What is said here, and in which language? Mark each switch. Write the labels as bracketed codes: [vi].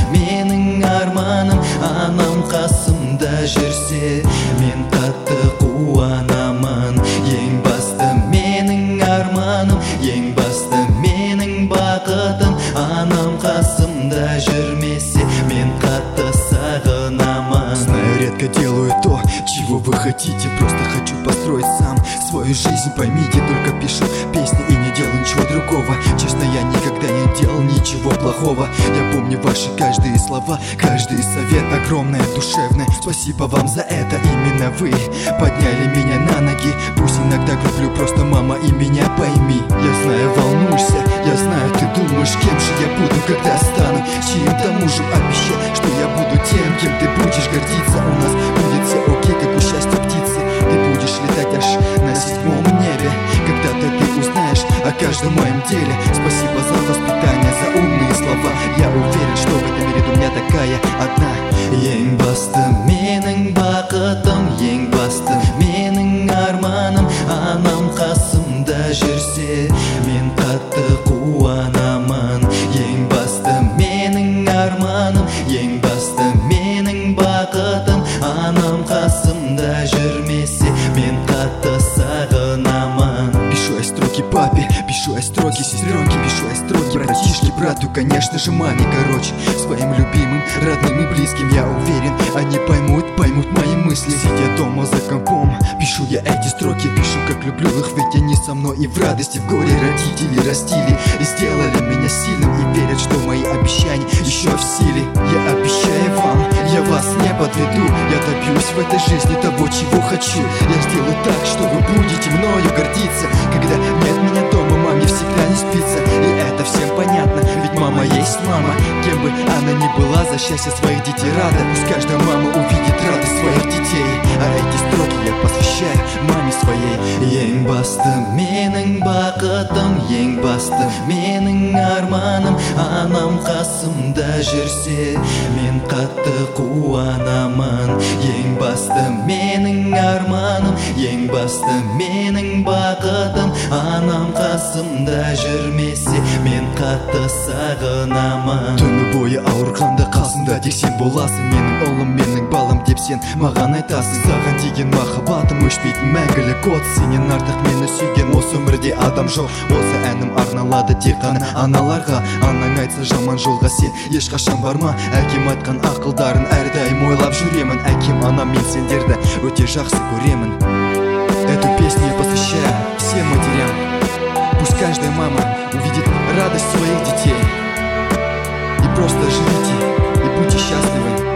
[kk] Менің арманым анам қасымда жүрсе, мен қатты қуанамын. Ең басты, менің арманым ең басты. Менің бақытым анам қасымда жүрмесе, мен қатты сағынамын. [ru] Знаю, редко делаю то, чего вы хотите. Просто хочу построить сам свою жизнь. Поймите, только пишу песни и не делаю ничего другого. Честно, я никогда не делал ничего плохого. Я помню ваши каждые слова, каждый совет. Огромное душевное спасибо вам за это. Именно вы подняли меня на ноги. Пусть иногда говорю просто мама, и меня пойми. Я знаю, волнуешься, я знаю, ты думаешь, кем же я буду, когда стану чьим-то мужем. Обещай, что я буду тем, кем ты будешь гордиться. У нас будет все окей, как у счастья птицы. Ты будешь летать аж на седьмом небе. Когда-то ты узнаешь о каждом моем деле. Спасибо за воспитание, за умные слова. Я уверен, что в этом мире у меня такая одна. [kk] Ең басты менің бақытым, ең басты менің арманым, анам қасымда жүрсе, мен қатты қуанамын. Ең басты менің арманым, ең басты менің бақытым, анам қасымда жүрмесе, мен қатты сағынамын. [ru] Пишу я строки папе, пишу я строки сестренке, пишу я строки братишке, брату, конечно же маме. Короче, своим любимым, родным и близким, я уверен, они поймут, поймут мои мысли. Сидя дома за компом, пишу я эти строки, пишу, как люблю их, ведь они со мной и в радости, в горе. Родители растили и сделали меня сильным, и верят, что мои обещания еще в силе. Я обещаю вам, я вас не подведу, я добьюсь в этой жизни того, чего хочу. Я сделаю так, что вы будете мною гордиться, когда нет меня дома, маме всегда не спится. И это всем понятно, ведь мама есть мама. Кем бы она ни была, за счастье своих детей рада. Пусть каждая мама увидит радость своих детей. А эти строки я посвящаю маме своей. [kk] Ең басты менің бақытым, ең басты менің арманым, анам қасымда жүрсе, мен қатты қуанамын. Ең басты менің арманым, ең басты менің бақытым, анам қасымда жүрмесе, мен қатты сағынамын. Түні бойы ауырғанда қасымда тек сен боласың. Менің ұлым, менің балым деп сен маған айтасың. Саған деген махаббатым өшпейтін мәңгілік от. Сенен артық мені сүйген осы өмірде адам жоқ. Осы әнім арналады тек қана аналарға. Анаң айтса жаман жолға сен ешқашан барма. Әкем айтқан ақылдарын әрдайым ойлап жүремін. Әкем, анам, мен сендерді өте жақсы көремін. [ru] Эту песню я посвящаю всем матерям. Пусть каждая мама увидит радость своих детей. И просто живите, и будьте счастливы.